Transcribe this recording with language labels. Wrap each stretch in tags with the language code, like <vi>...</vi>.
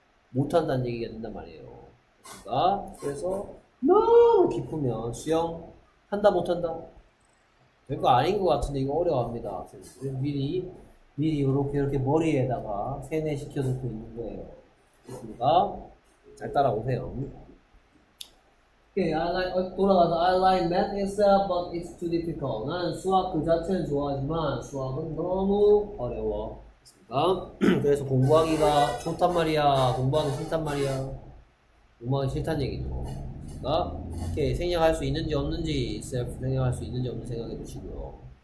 <ko>못한다는 얘기가 된단 말이에요. 그렇습니까? 그래서 너무 깊으면 수영 한다 못한다? 별거 아닌 것 같은데 이거 어려워합니다. 그래서 미리 이렇게 머리에다가 세뇌시켜 놓고 있는 거예요. 그렇습니까? 잘 따라오세요.</ko> <en>Okay, I like,</en> <ko>돌아가서,</ko> <en>I like math itself, but it's too difficult.</en> <ko>나는 수학 그 자체는 좋아하지만, 수학은 너무 어려워. 그렇습니까? 그래서 공부하기가 좋단 말이야. 공부하기 싫단 말이야. 공부하기 싫단 얘기죠. 그렇습니까? Okay, 생략할 수 있는지 없는지, self 생략할 수 있는지 없는지 생각해 보시고요.</ko>